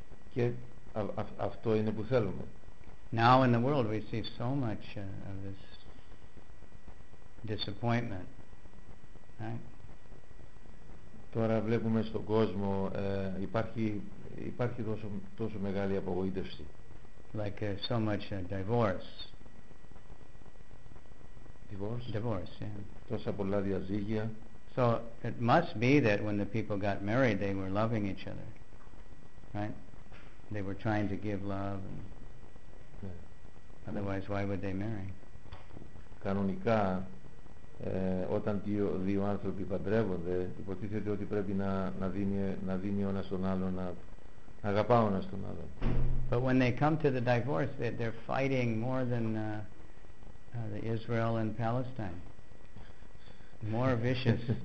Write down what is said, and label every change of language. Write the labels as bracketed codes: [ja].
[el] Και αυτό είναι που θέλουμε. [en] Now in the world we see so much of this disappointment, right? [el] Τώρα βλέπουμε στον κόσμο υπάρχει τόσο μεγάλη απογοήτευση. [en] Like so much divorce. Divorce. Divorce, yeah. [el] Τόσα πολλά διαζύγια. [en] So it must be that when the people got married they were loving each other, right? They were trying to give love. And yeah. Otherwise, why would they marry? [el] Κανονικά, όταν δύο άνθρωποι παντρεύονται, υποτίθεται ότι πρέπει να δίνει ο ένας τον άλλον, να αγαπά ο ένας τον άλλον. [en] But when they come to the divorce, they're fighting more than the Israel and Palestine. More vicious.